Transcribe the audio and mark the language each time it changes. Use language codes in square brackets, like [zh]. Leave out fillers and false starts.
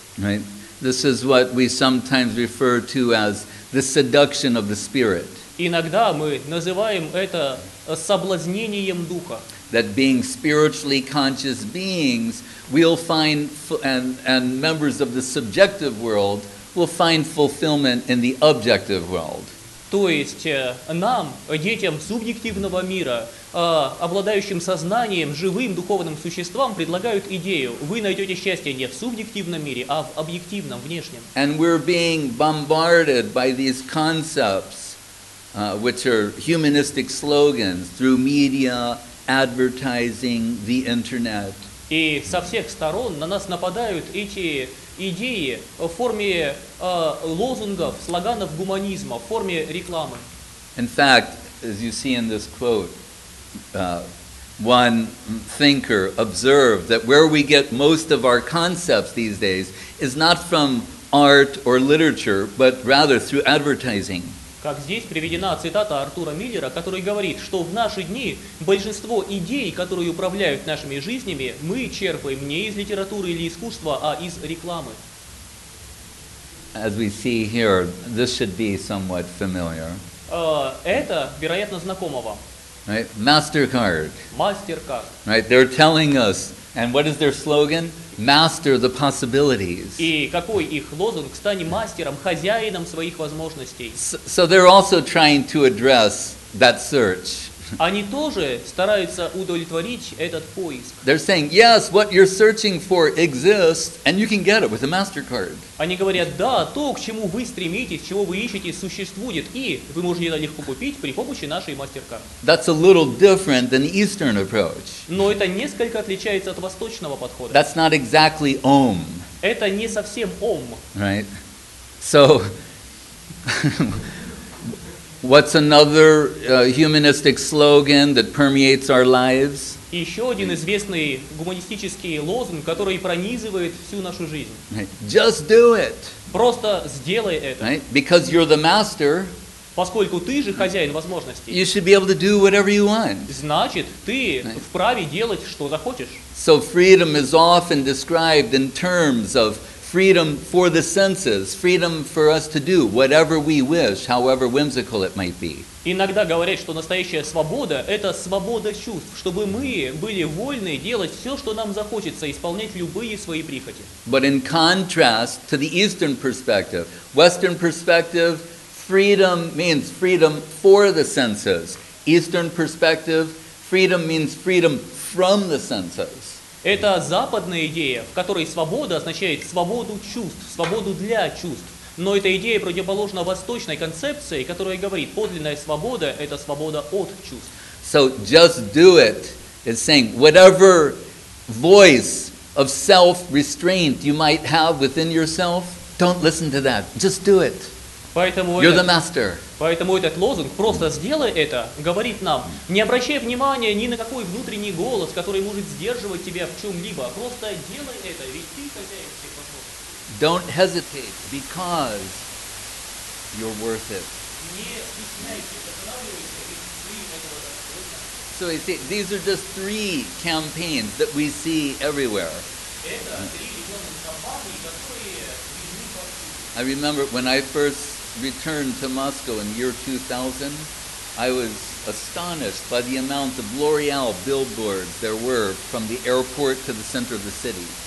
[en] Right. This is what we sometimes refer to as the seduction of the spirit. [ru] Иногда мы называем это соблазнением духа. [en] That being spiritually conscious beings, we'll find and members of the subjective world will find fulfillment in the objective world. [ru] То есть нам, детям субъективного мира, обладающим сознанием, живым духовным существам, предлагают идею. Вы найдете счастье не в субъективном мире, а в объективном, внешнем. [en] And we're being bombarded by these concepts, which are humanistic slogans, through media, advertising, the internet. [ru] И со всех сторон на нас нападают эти идеи в форме лозунгов, слоганов гуманизма, в форме рекламы. [en] In fact, as you see in this quote, one thinker observed that where we get most of our concepts these days is not from art or literature, but rather through advertising. [ru] Как здесь приведена цитата Артура Миллера, который говорит, что в наши дни большинство идей, которые управляют нашими жизнями, мы черпаем не из литературы или искусства, а из рекламы. [en] As we see here, this should be somewhat familiar. [ru] Это, вероятно, знакомо вам. [en] Right? MasterCard. MasterCard. Right? They're telling us, and what is their slogan? Master the possibilities. [ru] И какой их лозунг? Стань мастером, хозяином своих возможностей. [en] So they're also trying to address that search. [ru] Они тоже стараются удовлетворить этот поиск. [en] They're saying, yes, what you're searching for exists, and you can get it with a MasterCard. [ru] Они говорят, да, то, к чему вы стремитесь, чего вы ищете, существует, и вы можете это легко купить при помощи нашей MasterCard. [en] That's a little different than the Eastern approach. [ru] Но это несколько отличается от восточного подхода. [en] That's not exactly Om. [ru] Это не совсем Om. [en] Right. So, what's another humanistic slogan that permeates our lives? [ru] Еще один известный гуманистический лозунг, который пронизывает всю нашу жизнь. [en] Right. Just do it. [ru] Просто сделай это. [en] Right? Because you're the master. [ru] Поскольку ты же хозяин возможностей. [en] You should be able to do whatever you want. [ru] Значит, ты вправе делать, что захочешь. [en] So freedom is often described in terms of freedom for the senses, freedom for us to do whatever we wish, however whimsical it might be. [ru] Иногда говорят, что настоящая свобода — это свобода чувств, чтобы мы были вольны делать все, что нам захочется, исполнять любые свои прихоти. [en] But in contrast to the Eastern perspective, Western perspective, freedom means freedom for the senses. Eastern perspective, freedom means freedom from the senses. [ru] Это западная идея, в которой свобода означает свободу чувств, свободу для чувств. Но эта идея противоположна восточной концепции, которая говорит, подлинная свобода – это свобода от чувств. [en] So just do it. It's saying whatever voice of self-restraint you might have within yourself, don't listen to that. Just do it. You're the master. [ru] Поэтому этот лозунг «просто сделай это» говорит нам, не обращай внимания ни на какой внутренний голос, который может сдерживать тебя в чем-либо. Просто делай это, ведь ты хозяин всех вопросов. [en] Don't hesitate, because you're worth it. [ru] Не стесняйся, останавливайся, ведь ты этого достойна. [en] So you see, these are just three campaigns that we see everywhere. [ru] Это три рекламных кампании, которые видны повсюду. [en] I remember when I first returned to Moscow in year 2000, I was astonished by the amount of L'Oreal billboards there were from the airport to the center of the city.